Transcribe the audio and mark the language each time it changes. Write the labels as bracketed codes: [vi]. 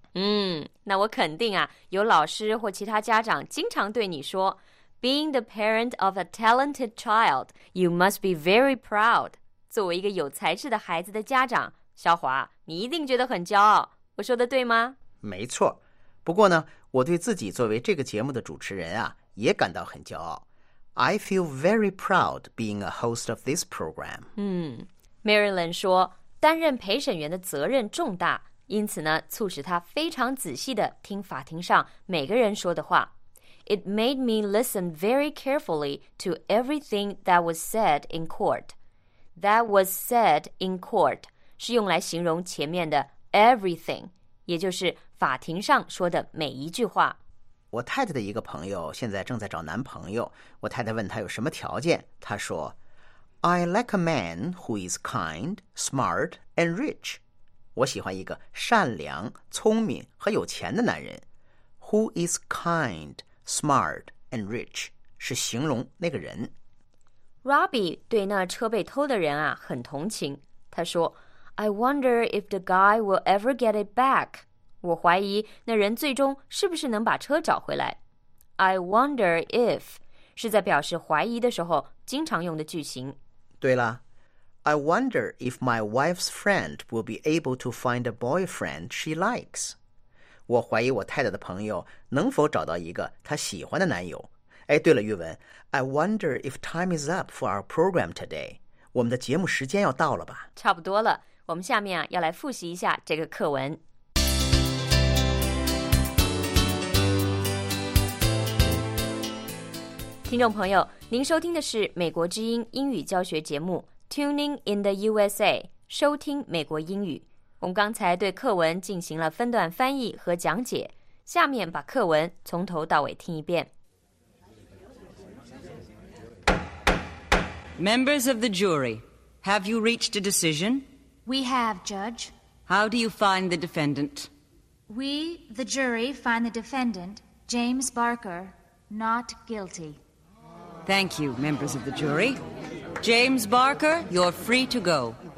[zh] 嗯，那我肯定啊，有老师或其他家长经常对你说 ， [en] Being the parent of a talented child, you must be very proud。 [zh] 作为一个有才智的孩子的家长。小华，你一定觉得很骄傲，我说的对吗？没错，不过呢，我对自己作为这个节目的主持人啊，也感到很骄傲。 [en] I feel very proud being a host of this program. [zh] 嗯 ，Marilyn 说，担任陪审员的责任重大，因此呢，促使他非常仔细地听法庭上每个人说的话。 [en] It made me listen very carefully to everything that was said in court. That was said in court. [zh] 是用来形容前面的 everything， 也就是法庭上说的每一句话。我太太的一个朋友现在正在找男朋友，我太太问他有什么条件，他说 ： [en] “I like a man who is kind, smart, and rich。” [zh] 我喜欢一个善良、聪明和有钱的男人。 [en] Who is kind, smart, and rich [zh] 是形容那个人。 Robbie 对那车被偷的人啊很同情，他说。 [en] I wonder if the guy will ever get it back. [zh] 我怀疑那人最终是不是能把车找回来。 [en] I wonder if [zh] 是在表示怀疑的时候经常用的句型。对了 [en] ，I wonder if my wife's friend will be able to find a boyfriend she likes. [zh] 我怀疑我太太的朋友能否找到一个她喜欢的男友。哎，对了， [en] 玉文 ，I wonder if time is up for our program today. [zh] 我们的节目时间要到了吧？差不多了。我们下面啊，要来复习一下这个课文。听众朋友，您收听的是美国之音英语教学节目 Tuning in the USA， 收听美国英语。我们刚才对课文进行了分段翻译和讲解，下面把课文从头到尾听一遍。 [en] Members of the jury, have you reached a decision? We have, Judge. How do you find the defendant? We, the jury, find the defendant, James Barker, not guilty. Thank you, members of the jury. James Barker, you're free to go.